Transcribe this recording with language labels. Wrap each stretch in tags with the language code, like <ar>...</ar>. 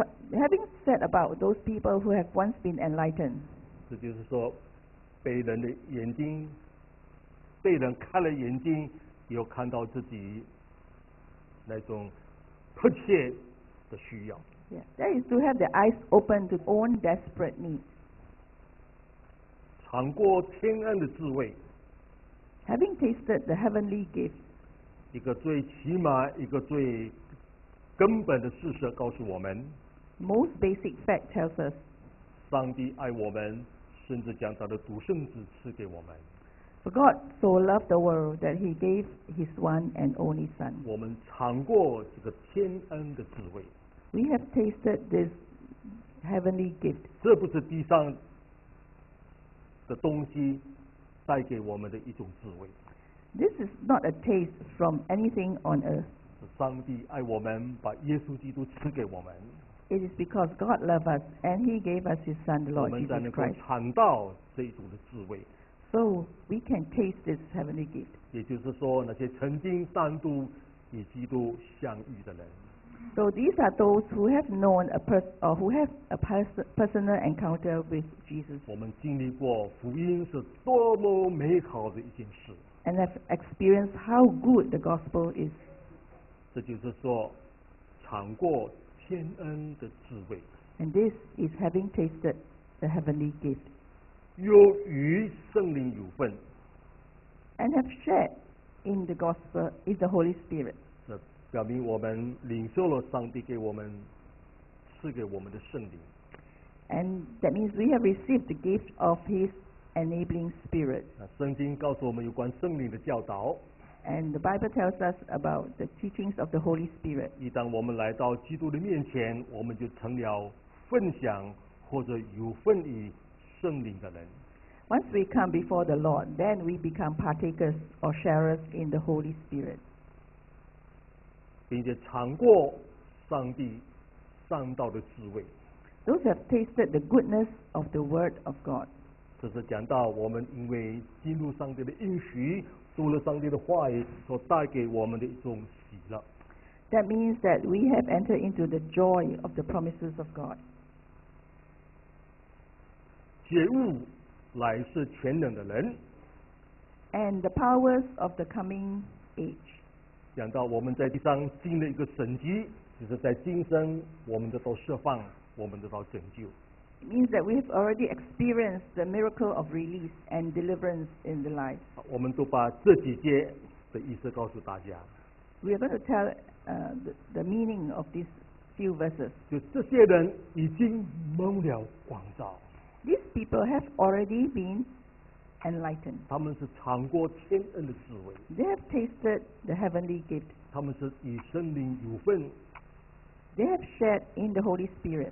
<en>Having said about those people who have once been enlightened.</en> <zh>这就是说，被人的眼睛，被人开了眼睛，有看到自己那种迫切的需要。</zh> <en>Yeah, that is to have the eyes open to own desperate needs.</en> <zh>尝过天恩的滋味。</zh> <en>Having tasted the heavenly gift.</en> <zh>一个最起码，一个最根本的事实告诉我们。</zh> <en>Most basic fact tells us.</en> <zh>上帝爱我们，甚至将他的独生子赐给我们。</zh> <en>For God so loved the world that he gave his one and only son.</en> <zh>我们尝过这个天恩的滋味。</zh> <en>We have tasted this heavenly gift.</en> <zh>这不是地上的东西带给我们的一种滋味。</zh> <en>This is not a taste from anything on earth.</en> <zh>是上帝爱我们，把耶稣基督赐给我们。</zh> <en>It is because God loved us and he gave us his son, the Lord Jesus Christ.</en> <zh>我们才能够尝到这一种的滋味。</zh> <en>So we can taste this heavenly gift.</en> <zh>也就是说，那些曾经单独与基督相遇的人。</zh> <en>So these are those who have known a person or who have a personal encounter with Jesus.</en> <zh>我们经历过福音是多么美好的一件事。</zh> <en>And have experienced how good the gospel is.</en> <zh>这就是说，尝过天恩的滋味。</zh> <en>And this is having tasted the heavenly gift.</en> <zh>又与圣灵有份。</zh> <en>And have shared in the gospel in the Holy Spirit.</en> <zh>表明我们领受了上帝给我们赐给我们的圣灵。</zh> <en>And that means we have received the gift of His enabling Spirit.</en> <zh>圣经告诉我们有关圣灵的教导。</zh> <en>And the Bible tells us about the teachings of the Holy Spirit.</en> <zh>一旦我们来到基督的面前，我们就成了分享或者有份于圣灵的人。</zh> <en>Once we come before the Lord, then we become partakers or sharers in the Holy Spirit.</en> <zh>并且尝过上帝上道的滋味。</zh> <en>Those have tasted the goodness of the word of God.</en> <zh>这是讲到我们因为进入上帝的应许，读了上帝的话语所带给我们的一种喜乐。</zh> <en>That means that we have entered into the joy of the promises of God.</en> <zh>觉悟乃是全能的人。</zh> <en>And the powers of the coming age.</en> <zh>讲到我们在地上经历一个神迹，就是在今生我们得到释放，我们得到拯救。</zh> <en>It means that we have already experienced the miracle of release and deliverance in the life.</en> <zh>我们都把这几节的意思告诉大家。</zh> <en>We are going to tell the meaning of these few verses.</en> <zh>就这些人已经蒙了光照。</zh> <en>These people have already beenEnlightened.</en> <zh>他们是尝过天恩的滋味。</zh> <en>They have tasted the heavenly gift.</en> <zh>他们是与圣灵有份。</zh> <en>They have shared in the Holy Spirit.</en>